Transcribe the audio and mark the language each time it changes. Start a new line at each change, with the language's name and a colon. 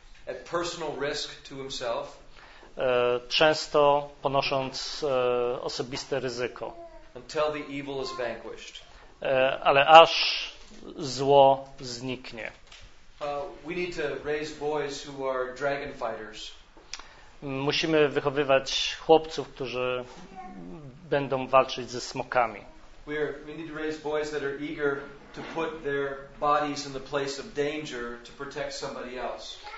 English: At personal risk to himself.
Polish: Często ponosząc osobiste ryzyko.
English: Until the evil is vanquished.
Polish: Ale aż zło zniknie.
English: We need to raise boys who are dragon fighters.
Polish: Musimy wychowywać chłopców, którzy będą walczyć ze smokami.
English: We need to raise boys that are eager to put their bodies in the place of danger to protect somebody else.